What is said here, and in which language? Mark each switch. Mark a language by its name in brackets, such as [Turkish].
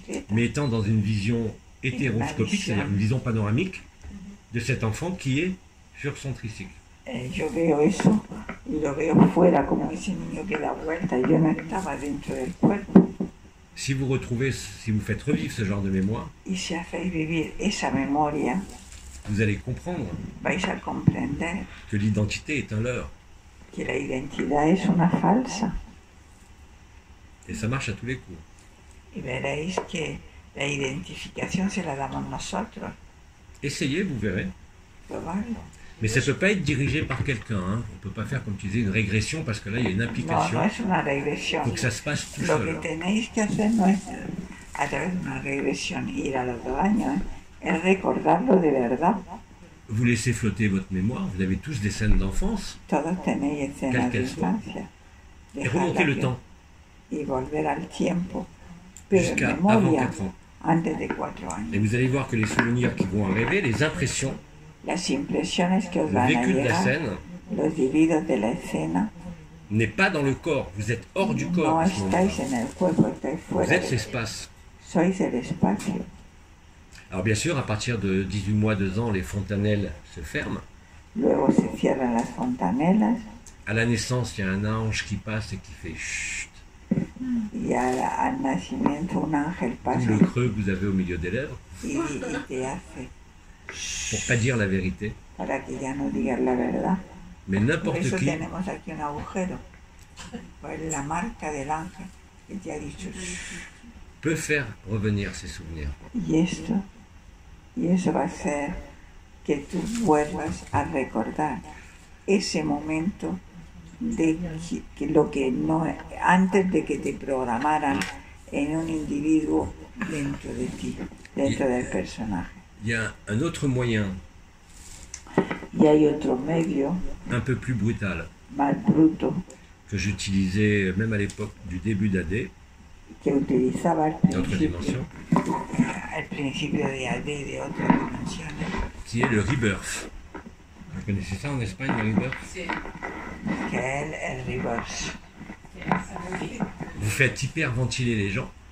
[French] Mais étant dans une vision hétéroscopique, c'est-à-dire une vision panoramique. de cet enfant qui est sur son tricycle. Et je vois ça, je le vois fuera, comme ce niño [Spanish] qui da vuelta, [French] je n'étais pas [Spanish] dentro del cuerpo. [French] Si vous retrouvez, si vous faites revivre ce genre de mémoire, [Spanish] y si hacéis vivir esa memoria, [French] vous allez comprendre, [Spanish] vais a comprender, [French] que l'identité est un leurre, [Spanish] que la identidad es una falsa. [French] Et ça marche à tous les coups. [Spanish] Y veréis que la identificación se la damos nosotros. [French] Essayez, vous verrez. [Spanish] Probarlo. [French] Mais ça ne peut pas être dirigé par quelqu'un. Hein. On ne peut pas faire, comme tu disais, une régression, parce que là, il y a une implication. Non, non, c'est une régression. Pour que ça se passe tout [Spanish] lo [French] seul. [Spanish] Lo que tenéis que hacer no es a través de una regresión ir a los dos años, es recordarlo de verdad. [French] Vous laissez flotter votre mémoire. Vous avez tous des scènes d'enfance. [Spanish] Todos tenéis escenas de infancia. [French] Et remontez le temps. [Spanish] Y volver al tiempo. [French] Jusqu'à avant 4 ans. [Spanish] Antes de 4 años. [French] Et vous allez voir que les souvenirs qui vont arriver, les impressions, [Spanish] las impresiones que os van [French] le vécu [Spanish] a llegar, [French] de la scène, [Spanish] los vividos de la escena, [French] n'est pas dans le corps, vous êtes hors du corps. [Spanish] No estáis en el cuerpo, estáis fuera. [French] Vous êtes l'espace. [Spanish] Sois el espacio. [French] Alors bien sûr, à partir de 18 mois, 2 ans, les fontanelles se ferment. [Spanish] Luego se cierran las fontanelas. [French] À la naissance, il y a un ange qui passe et qui fait chut. [Spanish] Y al nacimiento un ángel pasa. [French] Le creux que vous avez au milieu des lèvres. [Spanish] Y te hace. [French] Pour ne pas dire la vérité. [Spanish] Para que ya no digas la verdad. [French] Mais n'importe [Spanish] por eso [French] qui. Nous avons ici un agujero. Pues la marque de l'ange qui te a dit chut. Peut faire revenir ses souvenirs. [Spanish] Y eso va a hacer que tú vuelvas a recordar ese momento de que lo que no antes de que te programaran en un individuo dentro de ti, dentro del personaje. [French] Il y a un autre moyen. [Spanish] Y hay otro medio. [French] Un peu plus brutal. [Spanish] Más bruto. [French] Que j'utilisais même à l'époque du début d'AD. [Spanish] Que utilizaba al principio. [French] D'autres dimensions. [Spanish] Al principio de AD de otra dimensión. [French] Qui est le rebirth. Vous connaissez ça en Espagne, le rebirth? Quel est le rebirth? Vous faites hyperventiler les gens.